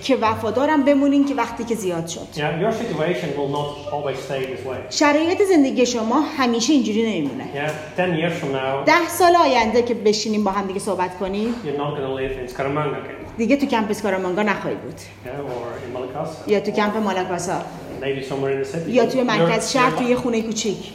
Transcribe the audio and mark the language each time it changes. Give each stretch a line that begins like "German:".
Persian: که وفادارم بمونین که وقتی که زیاد شد.
English: Yeah, your situation will not always stay this way.
Persian: شرایط زندگی شما همیشه اینجوری نمیمونه.
English: Yeah, 10 years from now.
Persian: 10 سال آینده که بشینیم با هم دیگه صحبت کنیم.
English: You're not going to live in Scaramanga.
Persian: دیگه تو کمپ اسکارامانگا نخواهی بود.
English: Yeah, or in Malakasa.
Persian: یا تو کمپ مالاکاسا.
English: maybe somewhere in the city.
Persian: یا توی مرکز شهر توی خونه کوچیک.